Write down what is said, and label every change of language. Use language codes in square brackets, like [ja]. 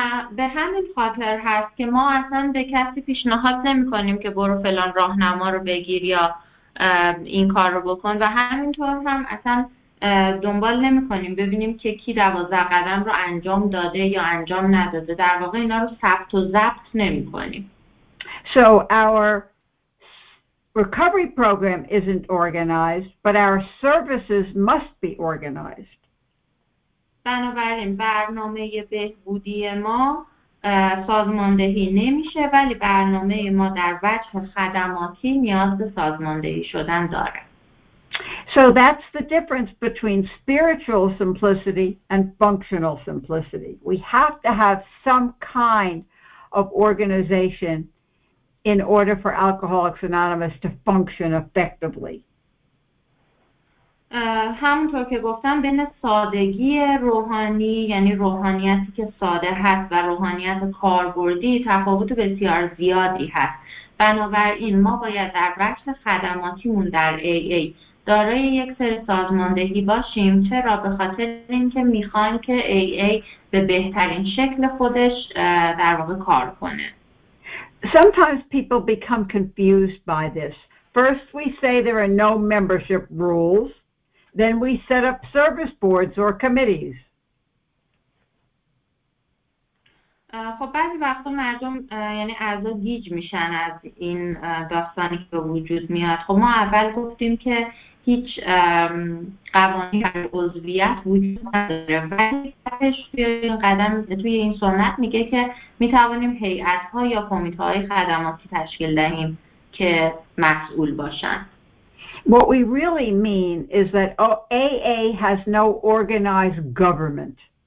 [fa] به همین خاطر هست که ما اصلا به کسی پیشنهاد نمی‌کنیم که برو فلان راهنما رو بگیر یا این کار رو بکن و همینطور هم اصلا دنبال نمی کنیم ببینیم که کی 12 قدم رو انجام داده یا انجام نداده. در واقع اینا رو ثبت و ضبط نمی کنیم. [en] So our recovery program isn't organized, but our services must be organized. [fa] بنابراین برنامه بهبودی ما سازماندهی نمیشه ولی برنامه ما در وجه خدماتی نیاز به سازماندهی شدن داره. [en] So that's the difference between spiritual simplicity and functional simplicity. We have to have some kind of organization in order for Alcoholics Anonymous to function effectively. [fa] همونطور که گفتم بین سادگی روحانی یعنی روحانیتی که ساده هست و روحانیت کاربردی تفاوت بسیار زیادی هست. بنابراین ما باید در بخش خدماتیمون در AA دارای یک سری سازماندهی باشیم. چرا؟ به خاطر اینکه میخوان که AA به بهترین شکل خودش در واقع کار کنه. [en] Sometimes people become confused by this. First we say there are no membership rules. Then we set up service boards or committees. [fa] خب بعضی وقتا مردم یعنی اعضا گیج میشن از این داستانی که به وجود میاد. خب ما اول گفتیم که هیچ قوانی بر عضویت وجود نداره. ولی بعدش توی این قدم توی این سنت میگه که میتوانیم هیئت‌ها یا کمیته‌های خدماتی تشکیل دهیم که مسئول باشن. [en] What we really mean is that AA has no organized government.